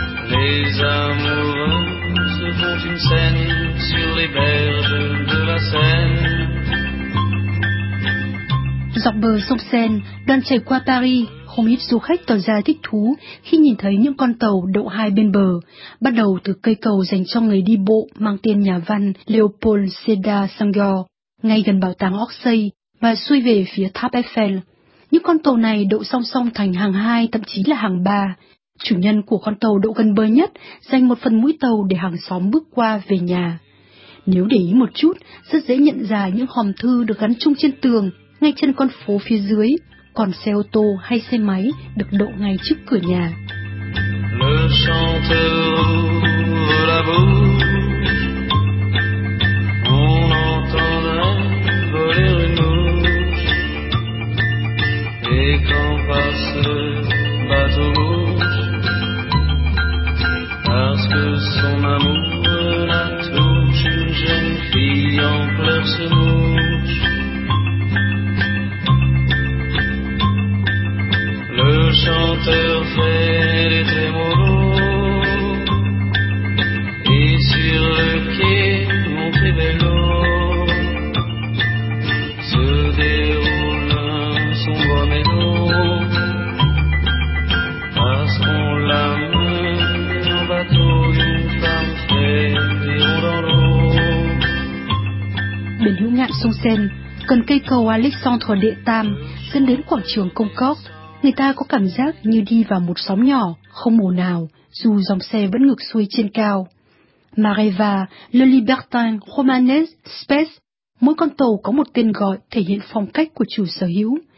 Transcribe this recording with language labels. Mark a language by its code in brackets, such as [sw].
[fr] Les amoureux se font une scène sur les berges de la Seine. [vi] Dọc bờ sông Seine, đoàn chạy qua Paris, không ít du khách tỏ ra thích thú khi nhìn thấy những con tàu đậu hai bên bờ, bắt đầu từ cây cầu dành cho người đi bộ mang tên nhà văn Léopold Sédar Senghor, ngay gần bảo tàng Orsay và xuôi về phía tháp Eiffel. Những con tàu này đậu song song thành hàng hai, thậm chí là hàng ba. Chủ nhân của con tàu đậu gần bờ nhất dành một phần mũi tàu để hàng xóm bước qua về nhà. Nếu để ý một chút, rất dễ nhận ra những hòm thư được gắn chung trên tường, ngay chân con phố phía dưới, còn xe ô tô hay xe máy được đậu ngay trước cửa nhà. [fr] Le chanteur de la boue, on entendait voler une mouche, et quand passe le bateau rouge, parce que son amour la touche, une jeune fille en pleurs se mouche. Le chanteur fait les trémolos et sur le quai mon trivello se déroule un sombre mélo parce qu'on l'a mené en bateau d'une femme fait dans l'eau. [vi] Bình hữu ngạn sông Sen, gần cây cầu Alexandre Đệ Tam dẫn đến quảng trường Công Cốc, người ta có cảm giác như đi vào một xóm nhỏ, không ồn ào, dù dòng xe vẫn ngược xuôi trên cao. Mareva, Le Libertin, Romanes, Spes, mỗi con tàu có một tên gọi thể hiện phong cách của chủ sở hữu.